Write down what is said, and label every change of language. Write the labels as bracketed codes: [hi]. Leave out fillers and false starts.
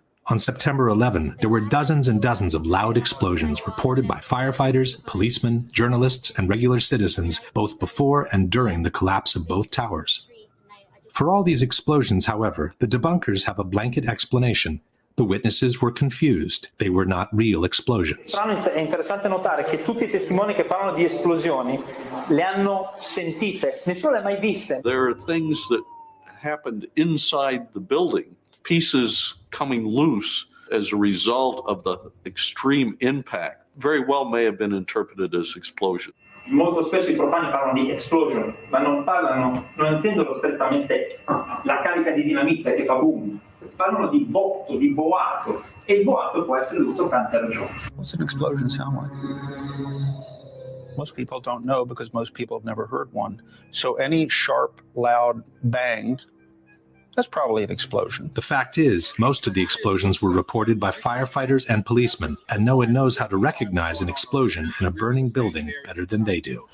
[en] On September 11, there were dozens and dozens of loud explosions reported by firefighters, policemen, journalists, and regular citizens, both before and during the collapse of both towers. For all these explosions, however, the debunkers have a blanket explanation. The witnesses were confused. They were not real explosions. [it] È interessante notare che tutti i testimoni che parlano di esplosioni le hanno sentite. Nessuno le ha mai viste. [en] There are things that happened inside the building. Pieces coming loose as a result of the extreme impact very well may have been interpreted as explosion. [it] Molto spesso i profani parlano di explosion, ma non intendono strettamente la carica di dinamite che fa boom. Parlano di botto, di boato, e il boato può essere dovuto a tante ragioni. [en] What's an explosion sound like? Most people don't know because most people have never heard one. So any sharp, loud bang, That's probably an explosion. The fact is, most of the explosions were reported by firefighters and policemen, and no one knows how to recognize an explosion in a burning building better than they do.